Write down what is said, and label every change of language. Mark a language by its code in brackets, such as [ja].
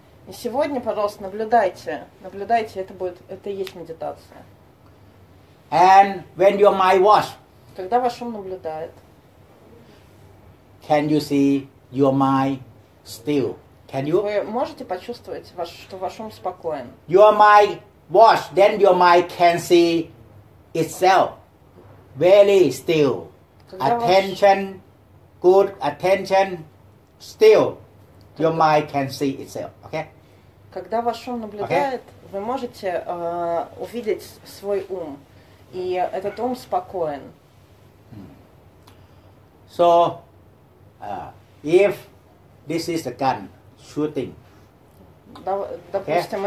[ru] И сегодня, пожалуйста, наблюдайте, это будет, это и есть медитация. [en] And when your mind watch. [ru] Когда ваш ум наблюдает. [en] Can you see your mind still? Can you? [ru] Вы можете почувствовать, что ваш ум спокоен? [en] Your mind watch, then your mind can see itself very still. [ru] Когда [en] attention. [ru] Ваш... [en] Good attention, still, your mind can see itself, okay? [ru] Когда ваш ум наблюдает, [en] okay? [ru] вы можете увидеть свой ум, и этот ум спокоен. [en] So, if this is a gun shooting, [ru] допустим,